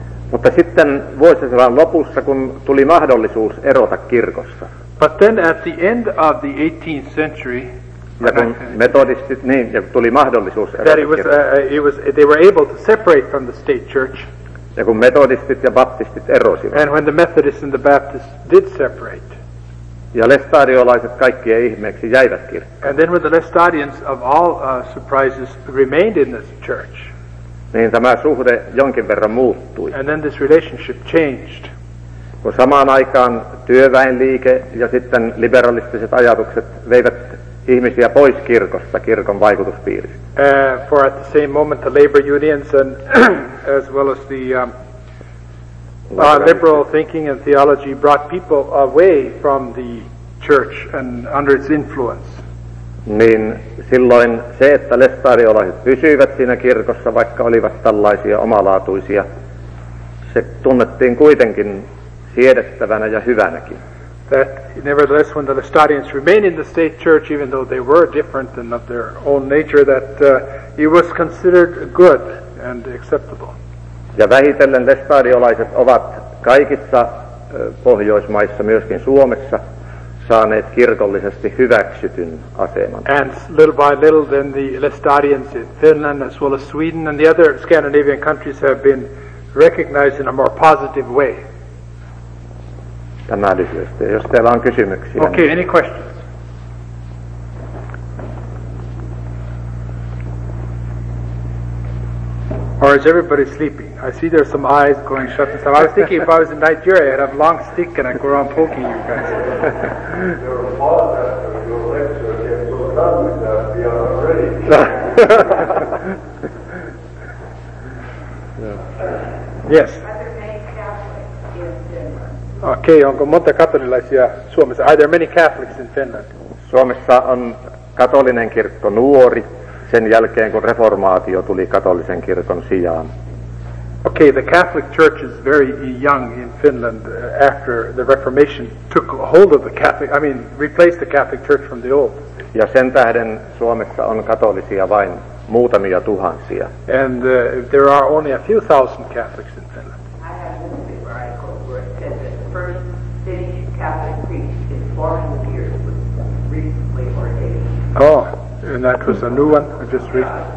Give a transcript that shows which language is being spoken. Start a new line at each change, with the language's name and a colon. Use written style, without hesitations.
Finnish: Mutta sitten vuosisadan lopussa, kun tuli mahdollisuus erota kirkosta.
English: But then at the end of the 18th century,
Finnish: ja kun metodistit, niin, ja tuli mahdollisuus erota kirkosta.
English: They were able to separate from the state church.
Finnish: Ja kun metodistit ja baptistit erosivat.
English: And when the Methodists and the Baptists did separate.
Finnish: Ja lestadiolaiset kaikki ihmeeksi jäivät kirkkoon.
English: And then were the Lestadians of all surprises remained in this church.
Finnish: Niin tämä suhde jonkin verran muuttui.
English: And then this relationship changed.
Finnish: Kun samaan aikaan työväenliike ja sitten liberalistiset ajatukset veivät ihmisiä pois kirkosta, kirkon vaikutuspiiristä.
English: For at the same moment the labor unions and as well as the liberal thinking and theology brought people away from the church and under its influence.
Finnish: Niin silloin se, että lestadiolaiset pysyivät siinä kirkossa, vaikka olivat tällaisia omalaatuisia, se tunnettiin kuitenkin siedettävänä ja hyvänäkin.
English: That nevertheless when the Lestadians remained in the state church, even though they were different and of their own nature, that it was considered good and acceptable.
Finnish: Ja vähitellen lestadiolaiset ovat kaikissa Pohjoismaissa, myöskin Suomessa, saaneet kirkollisesti hyväksytyn aseman.
English: And little by little then the Lestadians in Finland as well as Sweden and the other Scandinavian countries have been recognized in a more positive way.
Finnish: Tämä lyhyesti. Jos teillä on kysymyksiä.
English: Okay, niin. Any questions? Or is everybody sleeping? I see there's some eyes going shut and stuff. I was thinking if I was in Nigeria, I'd have a long stick and I'd go around poking you guys. Your podcast or your lecture gets so done with that beyond already. Yes.
Finnish: Okay, onko monta katolilaisia Suomessa?
English: Are there many Catholics in Finland?
Finnish: Suomessa on katolinen kirkko nuori. Sen jälkeen, kun reformaatio tuli katolisen kirkon sijaan.
English: Okay, the Catholic Church is very young in Finland after the Reformation took hold of the Catholic, I mean, replaced the Catholic Church from the old.
Finnish: Ja sen tähden Suomessa on katolisia vain muutamia tuhansia.
English: And there are only a few thousand Catholics in Finland. I have visited where I co-worked, the first Finnish Catholic priest in 400 years was recently ordained. Oh. And that was a new one, I just read.